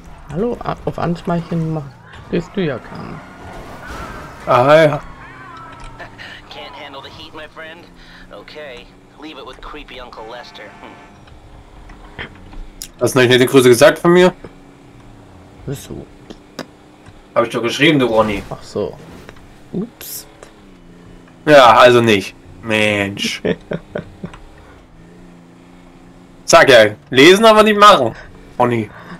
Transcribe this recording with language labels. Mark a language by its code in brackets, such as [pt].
[de] Hallo, auf Anschmeicheln bist du ja kein. Ah ja. [en] Can't handle the heat, my friend. Okay, leave it with creepy Uncle Lester. [de] Hast du nicht die Grüße gesagt von mir? Wieso? Hab ich doch geschrieben, du Ronny. Ach so. Ups. Ja, also nicht. Mensch. Sag ja, lesen aber nicht machen, Ronny.